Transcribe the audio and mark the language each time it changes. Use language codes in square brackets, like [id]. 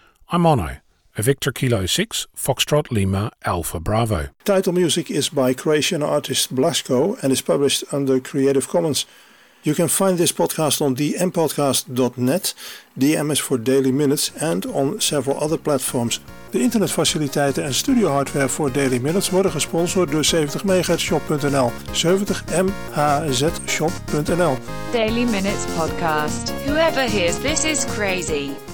[en] I'm Ono, a Victor Kilo 6, Foxtrot Lima Alpha Bravo. Title music is by Croatian artist Blasko and is published under Creative Commons. You can find this podcast on dmpodcast.net, DM is for Daily Minutes, and on several other platforms. [nl] De internetfaciliteiten en studio hardware voor Daily Minutes worden gesponsord door 70MHzShop.nl, 70MHzShop.nl. [en] Daily Minutes Podcast. Whoever hears this is crazy.